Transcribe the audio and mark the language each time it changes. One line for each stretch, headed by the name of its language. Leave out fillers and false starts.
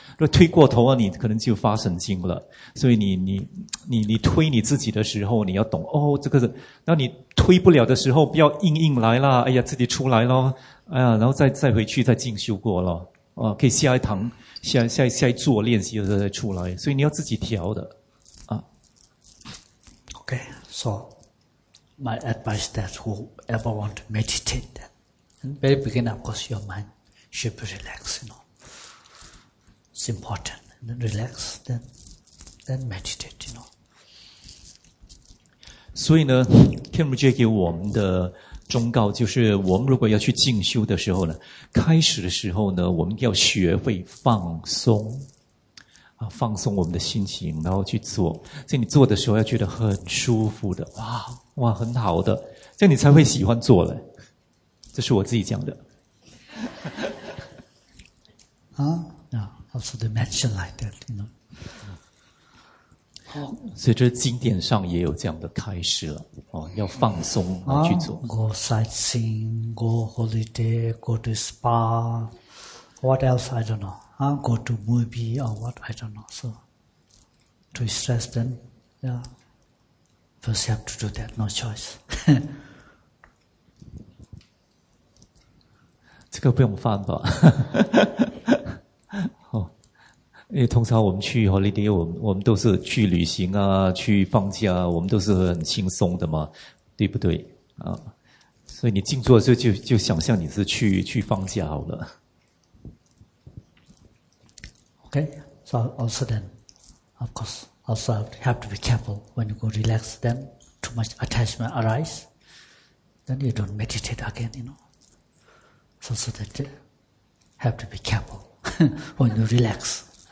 Chinese: 如果推过头啊，你可能就发神经了。所以你推你自己的时候，你要懂哦，这个是，那你推不了的时候，不要硬来啦，哎呀，自己出来咯，哎呀，然后再回去再进修过咯，哦，可以下一堂下一做练习的时候再出来，所以你要自己调的啊。
English: OK。 So, my advice that whoever want to meditate, then, in the very beginning, of course, your mind should be relaxed, you know. It's important. And then relax, then meditate, you know.
Chinese: 所以呢 ,Kim J 给我们的忠告就是我们如果要去进修的时候呢，开始的时候呢，我们要学会放松。放松我们的心情，然后去做。所以你做的时候要觉得很舒服的，哇哇，很好的，这样你才会喜欢做了。这是我自己讲的。
English: 啊，那 also they mention like that, you know.
Chinese: 好，所以这经典上也有这样的开始了。哦，要放松然后去做。
English: Go sightseeing, go holiday, go to spa, what else? I don't know. I'll go to movie or what, I don't know. So, to stress then, yeah. First you have to do that, no choice.
Chinese: 这个不用放吧。因为通常我们去 holiday, 我们都是去旅行啊，去放假，我们都是很轻松的嘛，对不对？啊，所以你静坐的时候就想象你是去放假好了。
English: Okay, so also then, of course, also have to be careful when you go relax, then too much attachment arise, then you don't meditate again, you know. So, so that have to be careful when you relax.